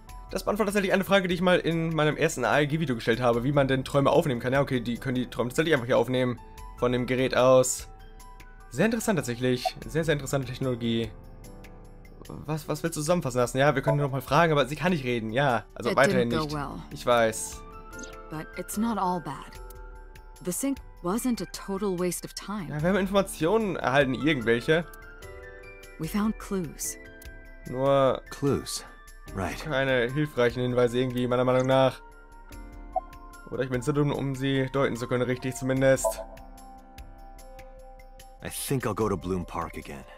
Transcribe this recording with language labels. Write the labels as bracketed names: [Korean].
[German] Das beantwortet tatsächlich eine Frage, die ich mal in meinem ersten ALG-Video gestellt habe, wie man denn Träume aufnehmen kann. Ja, okay, die können die Träume tatsächlich einfach hier aufnehmen, von dem Gerät aus. Sehr interessant tatsächlich, sehr, sehr interessante Technologie. Was willst du zusammenfassen lassen? Ja, wir können nochmal fragen, aber sie kann nicht reden, ja. Also weiterhin nicht. Ich weiß. [English] But it's not all bad. The sink wasn't a total waste of time. [German] Ja, wir haben Informationen erhalten, irgendwelche. [English] We found clues. [German] Nur... [English] Clues. Right. [German] Keine hilfreichen Hinweise irgendwie, meiner Meinung nach. Oder ich bin zu dumm, um sie deuten zu können, richtig zumindest. [English] I think I'll go to Bloom Park again.